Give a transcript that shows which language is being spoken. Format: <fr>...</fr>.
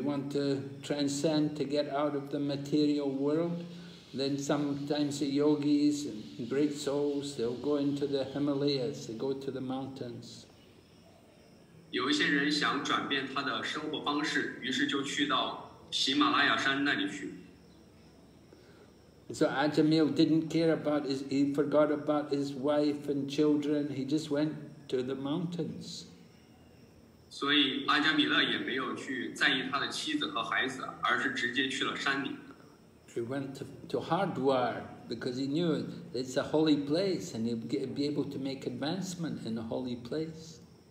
<en>want to transcend to get out of the material world. Then sometimes the yogis and great souls, they'll go into the Himalayas, they go to the mountains.</en> <zh>有一些人想转变他的生活方式，于是就去到喜马拉雅山那里去。</zh> <en>So Ajāmila didn't care about his, he forgot about his wife and children, he just went to the mountains.</en> <zh>所以阿迦米勒也没有去在意他的妻子和孩子，而是直接去了山里。</zh> <en>He went to Hardwar because he knew it's a holy place and he'd be able to make advancement in a holy place.</en>